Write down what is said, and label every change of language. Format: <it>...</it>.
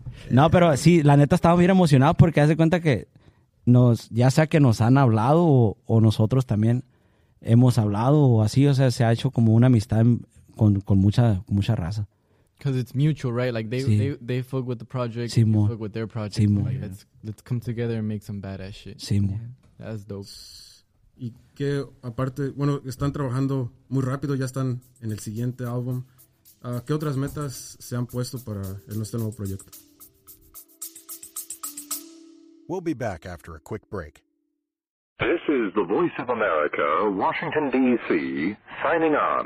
<es>No, pero sí, la neta estaba bien emocionado porque hace cuenta que ya sea que nos han hablado o nosotros también hemos hablado o así, o sea, se ha hecho como una amistad con mucha raza.</es> <en>Because it's mutual, right? Like, they fuck with the project, sí, you fuck with their project. Sí, like, let's come together and make some badass shit.</en> <es>Sí, mo.</es> <en>That's dope.</en> <es>Y que, aparte, bueno, están trabajando muy rápido, ya están en el siguiente álbum. ¿Qué otras metas se han puesto para este nuevo proyecto?</es> <en>We'll be back after a quick break. This is the Voice of America, Washington, D.C., signing on.</en>